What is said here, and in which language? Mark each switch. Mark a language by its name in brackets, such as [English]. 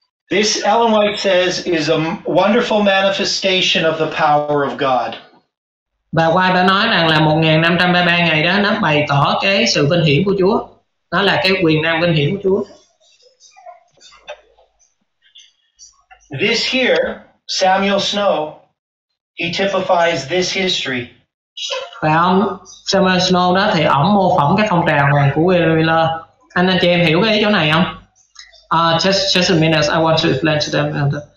[English] This, Ellen White says, is a wonderful manifestation of the power of God. [Vietnamese] Bà White đã nói rằng là 1533 ngày đó nó bày tỏ cái sự vinh hiển của Chúa. Nó là cái quyền năng vinh hiển của Chúa. [English] This here, Samuel Snow, he typifies this history. [Vietnamese] Và ông Samuel Snow đó thì ổng mô phỏng cái phong trào này của William Miller. Anh chị em hiểu cái ý chỗ này không? [English] Just a minute, I want to explain to them.